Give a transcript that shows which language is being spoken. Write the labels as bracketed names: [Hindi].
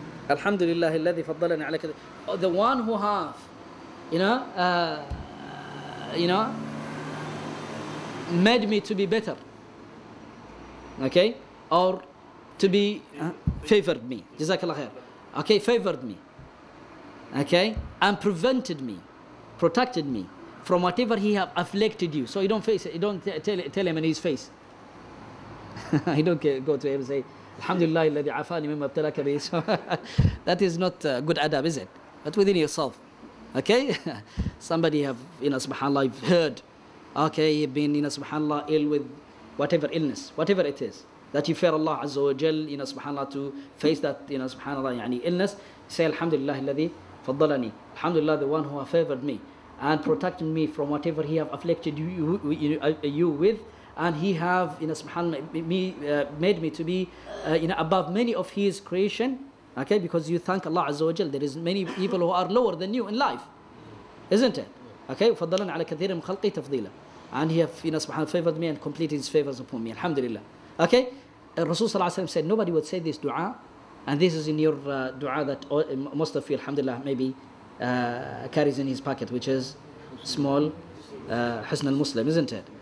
[Arabic] Alhamdulillah, الذي فضلني على كذا. [English] The one who have, you know, made me to be better. Okay, or to be favored me. Jazakallah khair. Okay, favored me. Okay, and prevented me, protected me from whatever he have afflicted you. So you don't face it. You don't tell him in his face. I don't care, go to him and say, Alhamdulillah, [Arabic] الذي عفاني مما ابتلاك به. [English] That is not good adab, is it? But within yourself. Okay? Somebody have, you know, subhanAllah, you've heard. Okay, you've been, you know, subhanAllah, ill with whatever illness, whatever it is, that you fear Allah Azza wa Jal, you know, subhanAllah, to face that, you know, subhanAllah, يعني illness. [Arabic] Say, Alhamdulillah, الذي فضلني. [English] Alhamdulillah, the one who have favored me and protected me from whatever he have afflicted you with. And he have, you know, subhanAllah, made me to be, you know, above many of his creation. Okay, because you thank Allah Azza wa Jal, there is many people who are lower than you in life, isn't it? [Arabic] Okay, فضلنا على كثير من خلقي تفضيلا. [English] And he have, you know, subhanAllah, favored me and completed his favors upon me. Alhamdulillah. Okay, Rasul sallallahu alayhi wa sallam said, nobody would say this dua. And this is in your dua that most of you, alhamdulillah, maybe carries in his pocket, which is small Husn al-Muslim, isn't it?